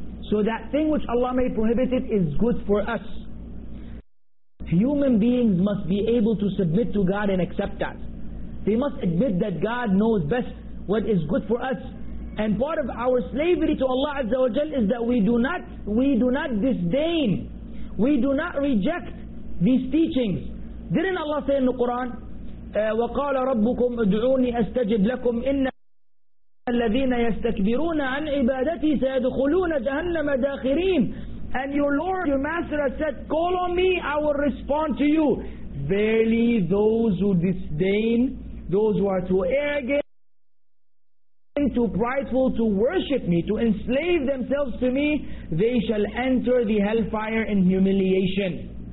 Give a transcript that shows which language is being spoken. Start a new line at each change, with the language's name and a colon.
English: So that thing which Allah made prohibited is good for us. Human beings must be able to submit to God and accept that. They must admit that God knows best what is good for us. And part of our slavery to Allah Azza wa Jal is that we do not disdain, we do not reject these teachings. Didn't Allah say in the Quran,
Arabic: وَقَالَ رَبُّكُمْ اُدْعُونِي أَسْتَجِبْ لَكُمْ إِنَّ الَّذِينَ يَسْتَكْبِرُونَ عَنْ عِبَادَتِي سَيَدْخُلُونَ جَهَنَّمَ دَاخِرِينَ.
English: And your Lord, your Master has said, call on me, I will respond to you. Verily those who disdain, those who are too arrogant, too prideful to worship me, to enslave themselves to me, they shall enter the hellfire in humiliation.